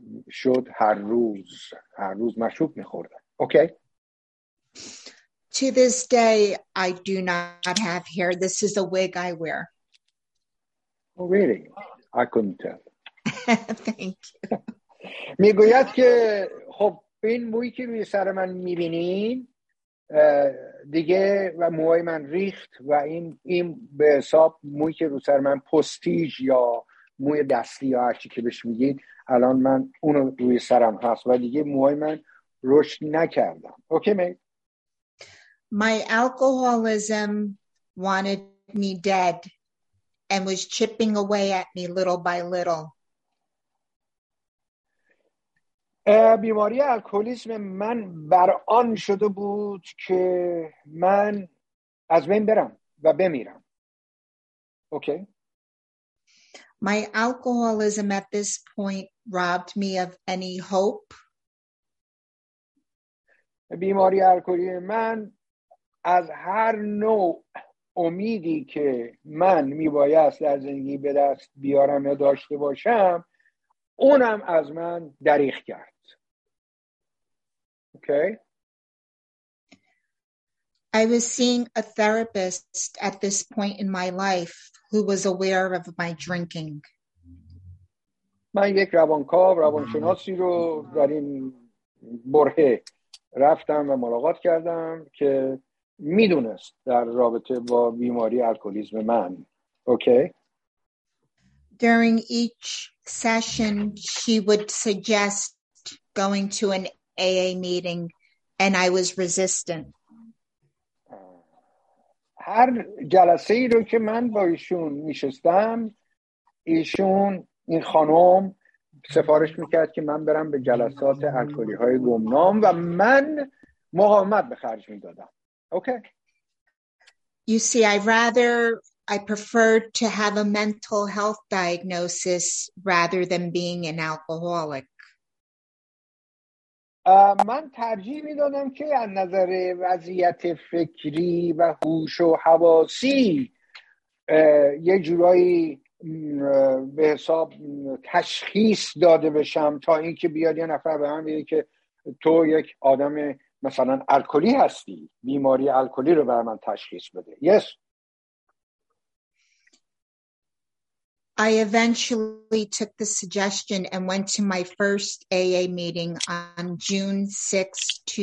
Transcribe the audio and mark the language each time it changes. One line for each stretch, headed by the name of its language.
Persian: شد هر روز هر روز مشروب می‌خوردن.
English: Okay. To this day I do not have hair. This is a wig I wear. Oh, really? I couldn't tell. Thank you.
Persian: میگوید که خب این مویی که روی سر من می‌بینین دیگه و موهای من ریخت و این به حساب مویی که رو سر من پستیج یا موی دستی یا هرچی که بهش میگید الان من اونو روی سرم هست و دیگه موهای من رشد نکردم.
English: Okay می؟ My alcoholism wanted me dead and was chipping away at me little by little.
Persian: بیماری الکلیسم من بر آن شده بود که من از بین برم و بمیرم.
English: Okay. My alcoholism at this point robbed me of any hope.
Persian: بیماری الکلی من از هر نوع امیدی که من میبایست در زندگی به دست بیارم یا داشته باشم اونم از من دریغ کرد.
English: Okay. I was seeing a therapist at this point in my life who was aware of my drinking.
Persian: من یک روانکاو روانشناسی رو در این برهه رفتم و ملاقات کردم که میدونست در رابطه با بیماری الکلیسم من.
English: Okay. During each session she would suggest going to an AA meeting and I was resistant.
Persian: هر جلسه ای رو که من با ایشون میشستم ایشون این خانم سفارش میکرد که من برم به جلسات الکلی های گمنام و من مقاومت به خرج میدادم.
English: Okay. You see I preferred to have a mental health diagnosis rather than being an alcoholic.
Persian: من ترجیح میدادم که از نظر وضعیت فکری و هوش و حواسی یه جورایی به حساب تشخیص داده بشم تا اینکه بیاد یه نفر به من بگه که تو یک آدم مثلا الکلی هستی بیماری الکلی رو برای من تشخیص بده.
English: Yes. I eventually took the suggestion and went to my first AA meeting on June 6,